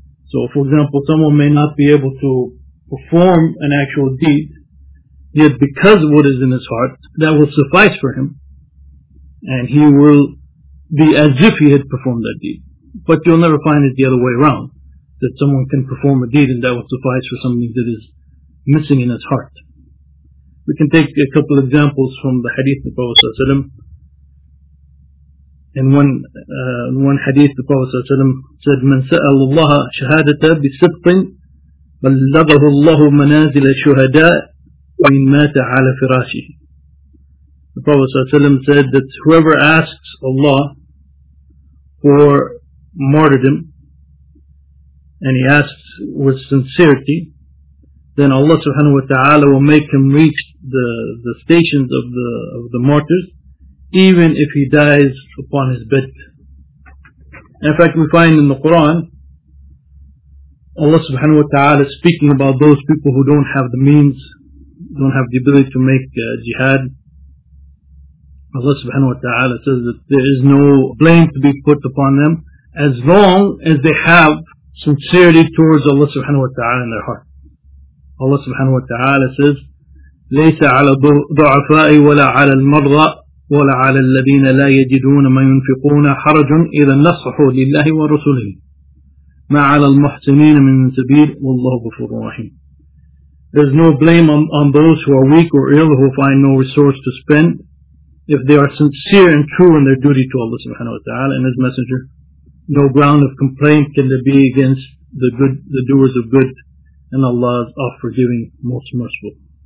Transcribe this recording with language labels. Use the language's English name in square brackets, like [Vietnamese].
[English] So, for example, someone may not be able to perform an actual deed, yet because of what is in his heart, that will suffice for him, and he will be as if he had performed that deed. But you'll never find it the other way around, that someone can perform a deed and that will suffice for something that is missing in his heart. We can take a couple of examples from the hadith of the Prophet Sallallahu Alaihi Wasallam. In one hadith, the Prophet Sallallahu Alaihi Wasallam said, [Arabic] "من سأل الله شهادة بصدق بلغه الله منازل الشهداء وإن مات على فراشه." [English] The Prophet Sallallahu Alaihi Wasallam said that whoever asks Allah for martyrdom, and he asks with sincerity, then Allah subhanahu wa ta'ala will make him reach the stations of the martyrs, even if he dies upon his bed. In fact, we find in the Quran, Allah subhanahu wa ta'ala speaking about those people who don't have the means, don't have the ability to make jihad. Allah subhanahu wa ta'ala says that there is no blame to be put upon them as long as they have sincerity towards Allah subhanahu wa ta'ala in their heart. Allah subhanahu wa ta'ala says, [Arabic] لَيْسَ عَلَى ضُعَفَاءِ وَلَا عَلَى الْمَرْضَى ولعل الذين لا يجدون ما ينفقون حرج إذا نصحوا لله ورسله ما على المحسنين من سبيل والله غفور رحيم. [English] There's no blame on those who are weak or ill, who find no resource to spend, if they are sincere and true in their duty to Allah subhanahu wa ta'ala and His Messenger. No ground of complaint can there be against the good, the doers of good, and Allah is of forgiving, most merciful.